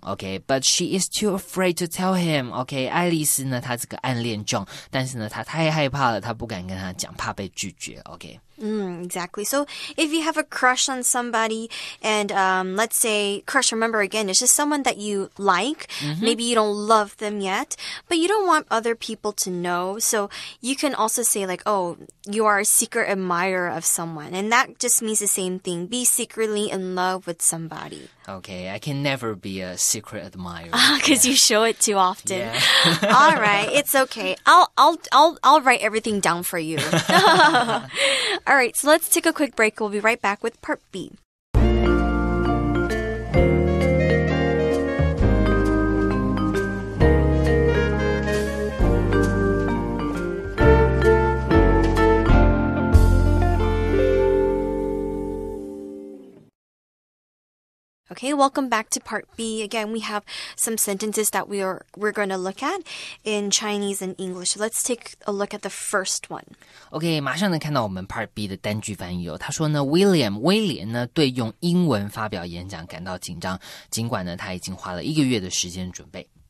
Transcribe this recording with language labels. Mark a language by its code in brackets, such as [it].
[en] OK, but she is too afraid to tell him。 [zh] OK, 爱丽丝呢，她这个暗恋 John， 但是呢她太害怕了，她不敢跟他讲，怕被拒绝。 [en] OK, Exactly. So if you have a crush on somebody and let's say crush, remember again, it's just someone that you like. Mm-hmm. Maybe you don't love them yet, but you don't want other people to know. So you can also say like, oh, you are a secret admirer of someone. And that just means the same thing. Be secretly in love with somebody. Okay, I can never be a secret admirer. Because you show it too often. Yeah. All right, it's okay. I'll write everything down for you. All right, so let's take a quick break. We'll be right back with part B. Okay, welcome back to part B. Again, we have some sentences that we're going to look at in Chinese and English. Let's take a look at the first one. [zh] Okay, 马上能看到我们 part B 的单句翻译哦。他说呢 ,William, 威廉呢对用英文发表演讲感到紧张，尽管呢他已经花了一个月的时间准备。